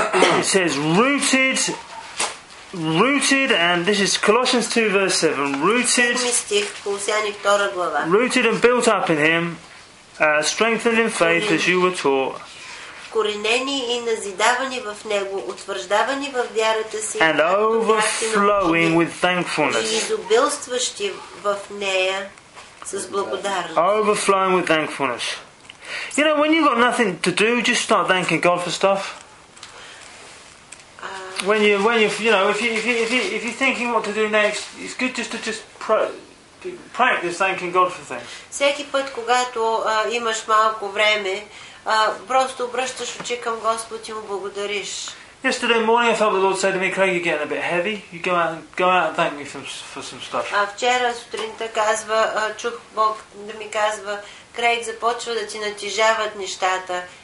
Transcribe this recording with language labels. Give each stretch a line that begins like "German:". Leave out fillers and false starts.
English: it says, rooted, and this is Colossians 2, verse 7. Rooted and built up in Him, strengthened in faith as you were taught.
Bulgarian: Коренени и назидавани в него, утвърждавани в вярата си,
English: and overflowing with thankfulness.
Bulgarian: И изобилстващи в нея с благодарност.
English: Overflowing with thankfulness. You know, when you've got nothing to do, just start thanking God for stuff. When you're thinking what to do next, it's good just to just pray. Practice thanking God for things.
Bulgarian: Всеки път, когато имаш малко време, просто обръщаш очи към Господ и му благодариш.
English: Yesterday morning I felt the Lord say to me, Craig, you're getting a bit heavy. You go out and thank me for some stuff.
Bulgarian: А вчера сутринта казва, чух Бог да ми казва, Крейг, започва да ти натежават нещата.